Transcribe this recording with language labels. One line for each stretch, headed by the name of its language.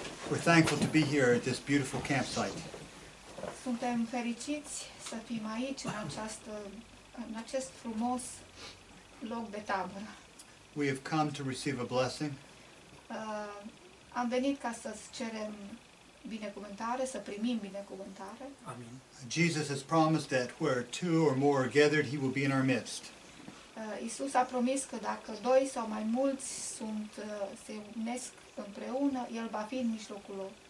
English: we're thankful to be here at this beautiful campsite.
Romanian: Suntem fericiți să fim aici în această, în acest frumos loc de tabără.
English: We have come to receive a blessing.
Romanian: Am venit ca să cerem binecuvântare, să primim binecuvântare. Amen.
English: Jesus has promised that where two or more are gathered, he will be in our midst.
Romanian: Iisus a promis că dacă doi sau mai mulți sunt se unesc împreună, el va fi în mijlocul lor.